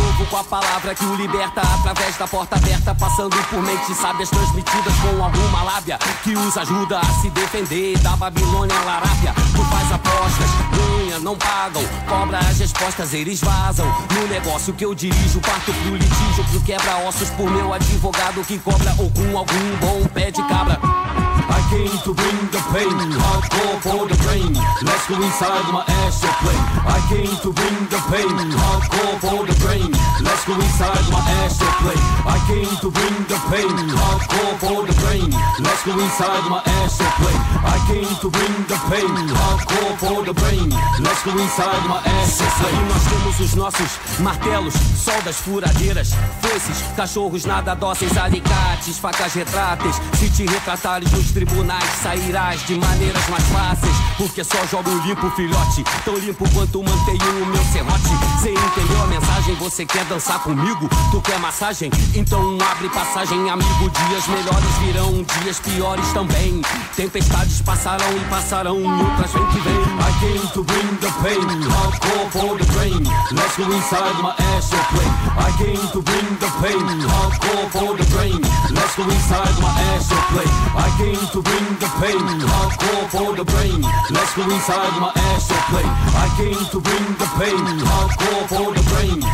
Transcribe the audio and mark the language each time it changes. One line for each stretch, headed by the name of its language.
Portuguese: Com a palavra que o liberta através da porta aberta. Passando por mentes sábias transmitidas com alguma lábia que os ajuda a se defender da Babilônia, Larábia. Tu faz apostas, ganha, não pagam. Cobra as respostas, eles vazam. No negócio que eu dirijo, parto pro litígio, pro quebra-ossos, por meu advogado que cobra ou com algum bom pé de cabra.
English: I came to bring the pain, hardcore for the brain. Let's go inside my astral plane. I came to bring the pain, hardcore for the brain. Let's go inside my astral plane. I came to bring the pain, hardcore for the brain. Let's go inside my astral plane. I came to bring the pain, hardcore for the brain. Let's go inside my astral plane.
Portuguese: Nós temos os nossos martelos, soldas, furadeiras, foices, cachorros nada dóceis, alicates, facas retráteis. Se te retratares, justo tribunais, sairás de maneiras mais fáceis. Porque só jogo limpo, filhote, tão limpo quanto mantenho o meu serrote. Cê entendeu a mensagem? Você quer dançar comigo? Tu quer massagem? Então abre passagem, amigo. Dias melhores virão, dias piores também. Tempestades passarão e passarão, e outras vem que vem.
English: I came to bring the pain, hardcore for the brain. Let's go inside my astral plane. I came to bring the pain, hardcore for the brain. Let's go inside my astral plane. I came to bring the pain, hardcore for the brain. Let's go inside my astral plane. I came to bring the pain, hardcore for the brain.